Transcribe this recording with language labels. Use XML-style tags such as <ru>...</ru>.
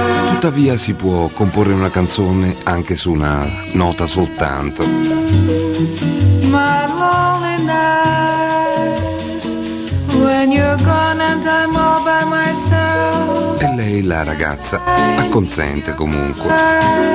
<it>Tuttavia si può comporre una canzone anche su una nota soltanto.</it> <en>My loneliness, when you're gone and I'm all by myself.</en> <it>E lei, la ragazza, acconsente comunque.</it>